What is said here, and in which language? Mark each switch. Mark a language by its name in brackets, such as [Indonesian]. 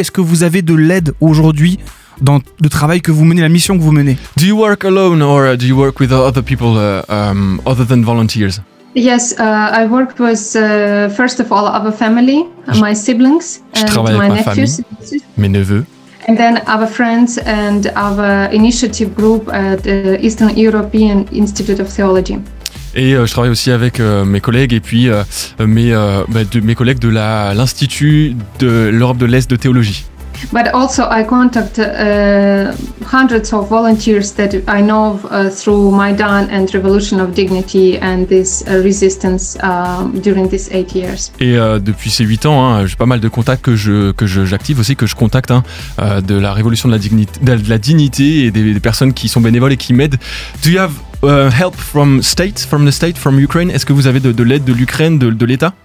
[French] Est-ce que vous avez de l'aide aujourd'hui? Dans le travail que vous menez, la mission que vous menez. [English] Do you work alone or do you work with other people other than volunteers? Yes, I work with first of all our family, my siblings, and my nephews. [French] Mes neveux. [English] And then our friends and our initiative group at the Eastern European Institute of Theology. [French] Et je travaille aussi avec mes collègues et puis mes collègues de l'Institut de l'Europe de l'Est de théologie. [English] But also I contact hundreds of volunteers that I know through Maidan and Revolution of Dignity and this resistance during these 8 years. [French] Et depuis ces 8 ans, hein, j'ai pas mal de contacts que je contacte hein, de la Révolution de la dignité et des personnes qui sont bénévoles et qui m'aident. [English] Do you have help from the state from Ukraine? [French] Est-ce que vous avez de l'aide de l'Ukraine, de l'État?